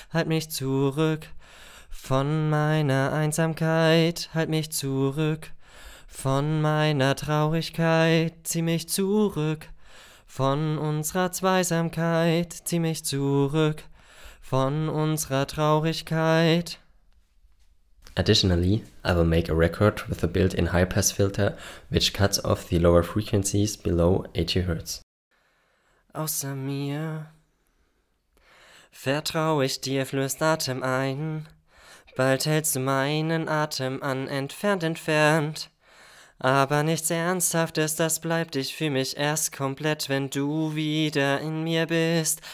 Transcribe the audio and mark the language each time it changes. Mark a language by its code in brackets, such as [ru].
[de] Halt mich zurück von meiner Einsamkeit, halt mich zurück von meiner Traurigkeit, zieh mich zurück von unserer Zweisamkeit, zieh mich zurück von unserer Traurigkeit. [en] Additionally, I will make a record with a built-in high-pass filter which cuts off the lower frequencies below 80 Hz. [de] Außer mir vertraue ich dir, flößt Atem ein. Bald hältst du meinen Atem an, entfernt. Aber nichts Ernsthaftes, das bleibt, ich fühl mich erst komplett, wenn du wieder in mir bist.